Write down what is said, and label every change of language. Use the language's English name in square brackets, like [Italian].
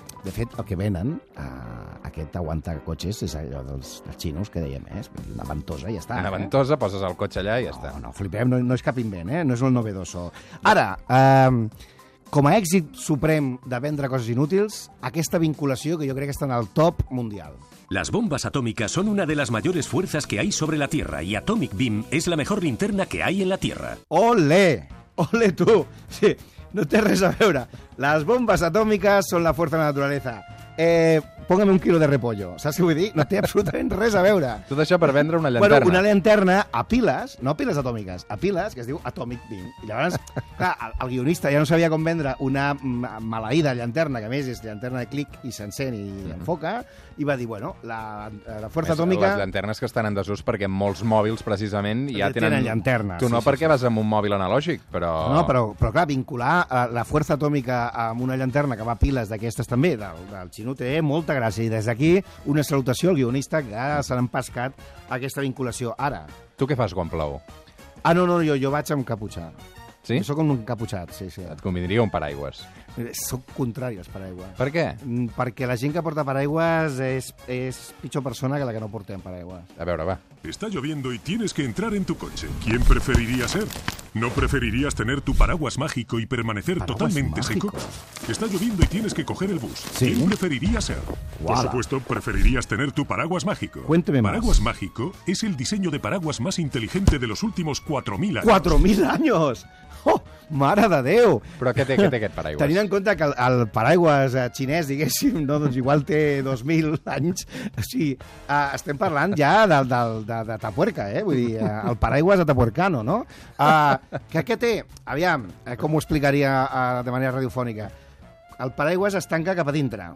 [Catalan] De fet, el que venen, aquest aguanta cotxes, és allò dels xinos que dèiem, una ventosa i ja està. Una ventosa, poses el cotxe allà i ja està. No, flipem, no és cap invent, no és [Spanish] el novedoso. [Catalan] Ara, com a èxit suprem de vendre coses inútils, aquesta vinculació que jo crec que està en el top mundial. [Spanish] Las bombas atómicas son una de las mayores fuerzas que hay sobre la Tierra y Atomic Beam es la mejor linterna que hay en la Tierra. [Catalan] ¡Olé! ¡Olé tú! Sí. No té res a veure. Les bombes atòmiques són la força de la [Spanish] naturaleza. Póngame un quilo de repollo. [Catalan] Saps què vull dir? No té absolutament res a veure. Tot això per vendre una llanterna. Bueno, una llanterna a piles, no a piles atòmiques, a piles, que es diu Atomic Beam. I llavors, clar, el guionista ja no sabia com vendre una maleïda llanterna, que a més és llanterna de clic i s'encén i enfoca, i va dir, bueno, la força atòmica... Les llanternes que estan en desús perquè molts mòbils, precisament, ja tenen llanternes. Tu no, perquè vas amb un mòbil analògic, però... No, però clar, vincular la força atòmica amb una llanterna que va a piles d'aquestes també, del xinú, té molta gràcies. I des d'aquí, una salutació al guionista que ara se n'ha empascat aquesta vinculació. Ara. Tu què fas quan plou? Ah, no, jo vaig amb caputxa. Sí? Jo sóc un encaputxat, sí. Et convindria un paraigües. Sóc contrari als paraigües. Per què? Perquè la gent que porta paraigües és pitjor persona que la que no portem paraigües. A veure, va. [Spanish] Está lloviendo y tienes que entrar en tu coche. ¿Quién preferiría ser? ¿No preferirías tener tu paraguas mágico y permanecer totalmente seco? Está lloviendo y tienes que coger el bus. ¿Sí? ¿Quién preferiría ser? ¡Wala! Por supuesto, preferirías tener tu paraguas mágico. Cuénteme más. Paraguas mágico es el diseño de paraguas más inteligente de los últimos 4.000 años. ¿4.000 años? [Catalan] ¡Oh, mare de Déu! Però què té, aquest paraigües? Tenint en compte que el paraigües xinès, diguéssim, no, doncs igual té 2.000 anys, o sigui, estem parlant ja de Tapuerca, eh? Vull dir, el paraigües de Tapuercano, no? Què té? Aviam, com ho explicaria de manera radiofònica? El paraigües es tanca cap a dintre,